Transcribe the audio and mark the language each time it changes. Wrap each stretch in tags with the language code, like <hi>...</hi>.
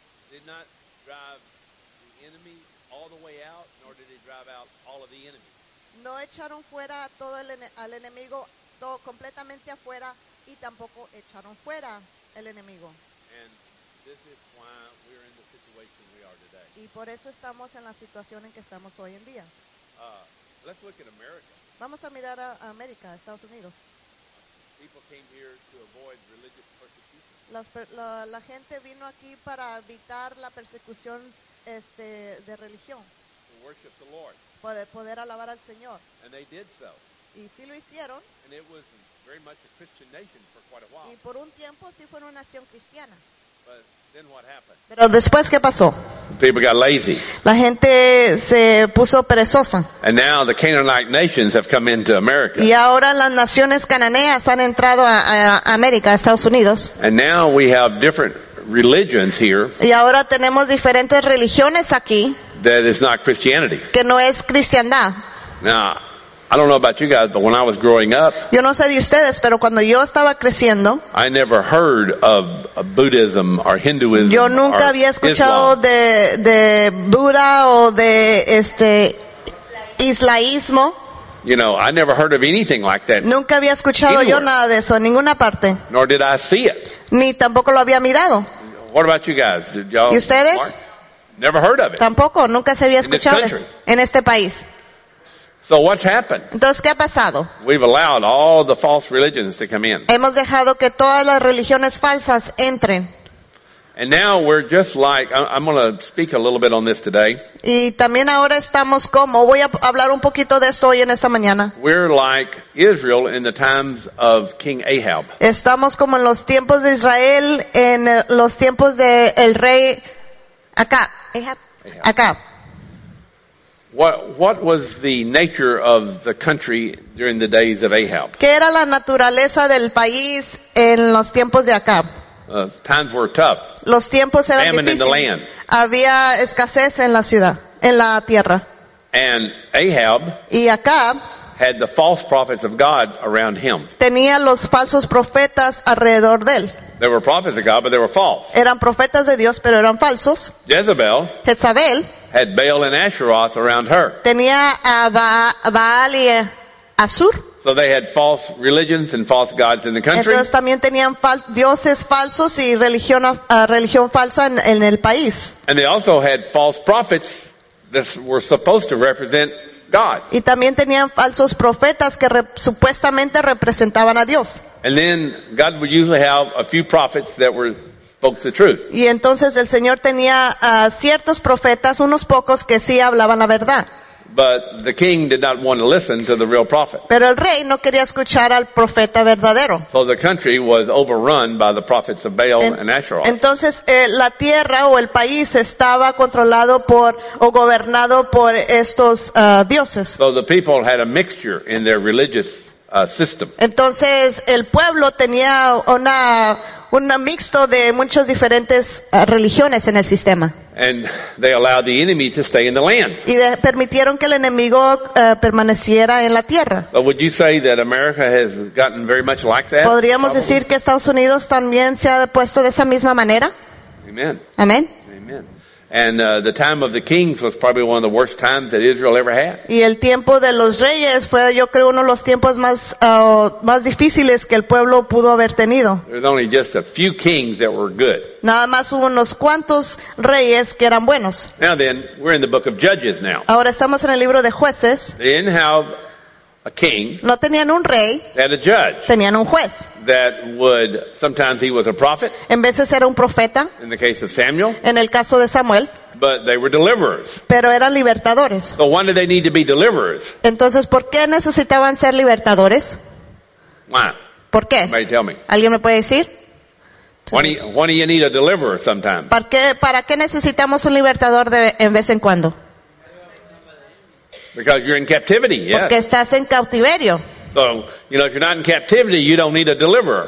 <en>Did not drive the enemy all the way out, nor did he drive out all of the enemy.</en> <es>No echaron fuera todo el al enemigo todo completamente afuera y tampoco echaron fuera el enemigo.</es> <en>And this is why we're in the situation we are today.</en> <es>Y por eso estamos en la situación en que estamos hoy en día.</es> <en>Let's look at America.</en> <es>Vamos a mirar a América, Estados Unidos.</es> <en>People came here to avoid religious persecution.</en> <es>La gente vino aquí para evitar la persecución de religión.</es> <en>To worship the Lord.</en> <es>Para poder alabar al Señor.</es> <en>And they did so.</en> <es>Y sí lo hicieron.</es> <en>And it was very much a Christian nation for quite a while.</en> <es>Y por un tiempo sí fue una nación cristiana.</es> <en>But then what happened?</en> <es>Pero después, ¿qué pasó?</es> <en>People got lazy.</en> <es>La gente se puso perezosa.</es> <en>And now the Canaanite nations have come into America.</en> <es>Y ahora las naciones cananeas han entrado a América, a Estados Unidos.</es> <en>And now we have different religions here.</en> <es>Y ahora tenemos diferentes religiones aquí.</es> <en>That is not Christianity.</en> <es>Que no es cristiandad.</es> <en>Now, I don't know about you guys, but when I was growing up,</en> <es>yo no sé de ustedes, pero cuando yo estaba creciendo,</es> <en>I never heard of Buddhism or Hinduism.</en> <es>Yo nunca</es> <en>or</en> <es>había escuchado</es> <en>Islam.</en> <es>de Buda o de islaísmo.</es> <en>You know, I never heard of anything like that.</en> <es>Nunca había escuchado</es> <en>anywhere.</en> <es>Yo nada de eso en ninguna parte.</es> <en>Nor did I see it.</en> <es>Ni tampoco lo había mirado.</es> <en>What about you guys? Did y'all,</en> <es>¿y ustedes?</es> <en>Mark? Never heard of it.</en> <es>Tampoco, nunca se había escuchado en este país.</es> <en>So what's happened?</en> <es>Entonces, ¿qué ha pasado?</es> <en>We've allowed all the false religions to come in.</en> <es>Hemos dejado que todas las religiones falsas entren.</es> <en>And now we're just like, I'm going to speak a little bit on this today.</en> <es>Y también ahora estamos como, voy a hablar un poquito de esto hoy en esta mañana.</es> <en>We're like Israel in the times of King Ahab.</en> <es>Estamos como en los tiempos de Israel, en los tiempos de el rey Ahab.</es> <en>What was the nature of the country during the days of Ahab?</en> <es>¿Qué era la naturaleza del país en los tiempos de Acab?</es> <en>Times were tough.</en> <es>Los tiempos eran</es> <en>famine</en> <es>difíciles.</es> <en>In the land.</en> <es>Había escasez en la ciudad, en la tierra.</es> <en>And Ahab</en> <es>y Acab</es> <en>had the false prophets of God around him.</en> <es>Tenía los falsos profetas alrededor de él.</es> <en>They were prophets of God, but they were false.</en> <es>Eran profetas de Dios, pero eran falsos.</es> <en>Jezebel had Baal and Asheroth around her.</en> <es>Tenía a Baal y Asur.</es> <en>So they had false religions and false gods in the country.</en> <es>Entonces también tenían dioses falsos y religión falsa en el país.</es> <en>And they also had false prophets that were supposed to represent God.</en> <es>Y también tenían falsos profetas que supuestamente representaban a Dios.</es> <en>And then God would usually have a few prophets that were spoke the truth.</en> <es>Y entonces el Señor tenía ciertos profetas, unos pocos que sí hablaban la verdad.</es> <en>But the king did not want to listen to the real prophet.</en> <es>Pero el rey no quería escuchar al profeta verdadero.</es> <en>So the country was overrun by the prophets of Baal and Asheroth.</en> <es>Entonces la tierra o el país estaba controlado por o gobernado por estos dioses.</es> <en>So the people had a mixture in their religious system.</en> <es>Entonces el pueblo tenía una mixto de muchas diferentes religiones en el sistema.</es> <en>And they allowed the enemy to stay in the land.</en> <es>Y permitieron que el enemigo permaneciera en la tierra.</es> <en>But would you say that America has gotten very much like that?</en> <es>¿Podríamos</es> <en>probably</en> <es>decir que Estados Unidos también se ha puesto de esa misma manera?</es> <en>Amen.</en> <es>Amen.</es> <en>Amen. And the time of the kings was probably one of the worst times that Israel ever had.</en> <es>Y el tiempo de los reyes fue, yo creo, uno de los tiempos más más difíciles que el pueblo pudo haber tenido.</es> <en>There's only just a few kings that were good.</en> <es>Nada más hubo unos cuantos reyes que eran buenos.</es> <en>Now then, we're in the book of Judges now.</en> <es>Ahora estamos en el libro de Jueces.</es> <en>They didn't have a king.</en> <es>No tenían un rey.</es> <en>They had a judge.</en> <es>Tenían un juez.</es> <en>That would sometimes he was a prophet.</en> <es>En veces era un profeta.</es> <en>In the case of Samuel.</en> <es>En el caso de Samuel.</es> <en>But they were deliverers.</en> <es>Pero eran libertadores.</es> <en>So why did they need to be deliverers?</en> <es>Entonces, ¿por qué necesitaban ser libertadores?</es> <en>Why?</en> <es>¿Por qué?</es> <en>Somebody tell me.</en> <es>¿Alguien me puede decir?</es> <en>Why do you need a deliverer sometimes?</en> <es>¿Para qué necesitamos un libertador en vez en cuando?</es> <en>Because you're in captivity, yes.</en> <es>Porque estás en cautiverio.</es> <en>So, you know, if you're not in captivity, you don't need a deliverer.</en>